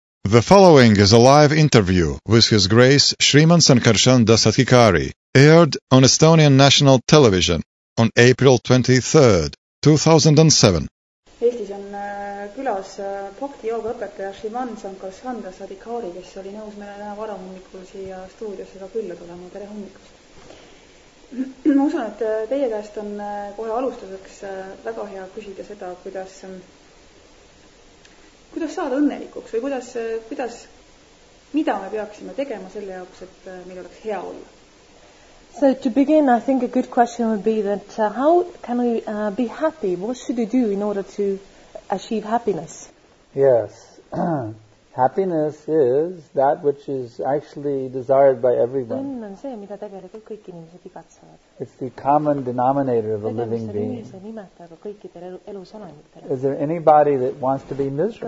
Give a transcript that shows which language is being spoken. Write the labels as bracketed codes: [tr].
[en] The following is a live interview with His Grace Sriman Sankarshan Dasatkikari, aired on Estonian National Television on April 23, 2007. [et] Eestis on külas bhakti-jooga õpetaja Sriman Sankarshan Dasatkikari, kes oli nõus meile täna varahommikul siia stuudiosse ka külla tulema. Tere hommikust! Ma usun, et teie käest on kohe alustuseks väga hea küsida seda, kuidas saada õnnelikuks või mida me peaksime tegema selle jaoks, et meil oleks hea olla. [en] So to begin, I think a good question would be that how can we be happy? What should we do in order to achieve happiness? Yes, happiness is that which is actually desired by everyone. [et] Õnn on see, mida tegelikult kõik inimesed igatsevad. [en] It's the common denominator of a living being. Is there anybody that wants to be miserable?